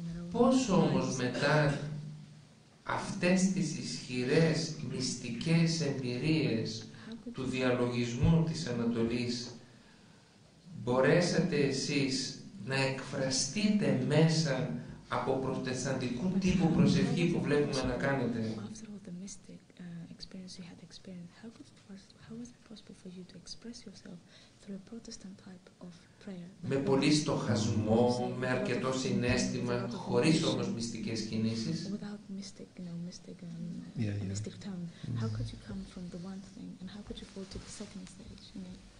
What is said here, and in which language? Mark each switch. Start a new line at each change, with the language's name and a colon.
Greek: Πώς όμως μετά αυτές τις ισχυρές μυστικές εμπειρίες του διαλογισμού της Ανατολής μπορέσατε εσείς να εκφραστείτε μέσα από προτεσταντικού τύπου προσευχή που βλέπουμε να κάνετε.
English: After all the mystic experience you had experienced, how was it possible for you to express yourself through a Protestant type of prayer?
Greek: Με πολύ στοχασμό, με αρκετό συνέστημα, χωρίς όμως μυστικές κινήσεις.
English: Without mystic, you know, mystic and yeah. mystic tone, how could you come from the one thing and how could you go to the second stage? You know?